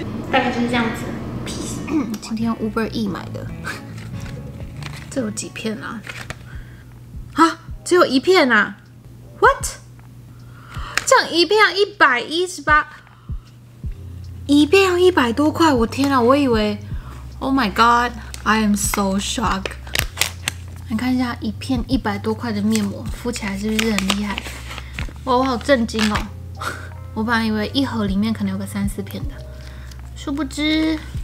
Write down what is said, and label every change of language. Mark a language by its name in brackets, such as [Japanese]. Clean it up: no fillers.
[Chinese] 大概就是这样子。 [English] Peace。 [Chinese] 今天 Uber E 买的，这有几片啊？啊，只有一片啊？ [English] What？ [Chinese] 这样一片118，一片要100多块，我天啊！我以为 [English] ，Oh my God， I am so shocked。 [Chinese] 你看一下一片100多块的面膜，敷起来是不是很厉害？哇，我好震惊哦！我本来以为一盒里面可能有个3-4片的，殊不知，